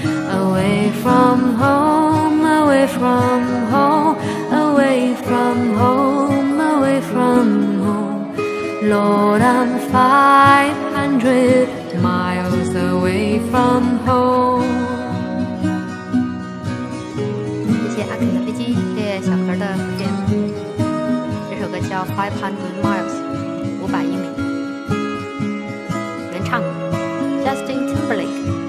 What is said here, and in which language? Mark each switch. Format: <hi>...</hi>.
<en>away from home, away from home, away from home, away from home, Lord, I'm 500 miles away from home.</en> <zh>谢谢阿肯的飞机，谢谢小壳的推荐。这首歌叫 500 miles, 500英里。原唱 Justin Timberlake。</zh>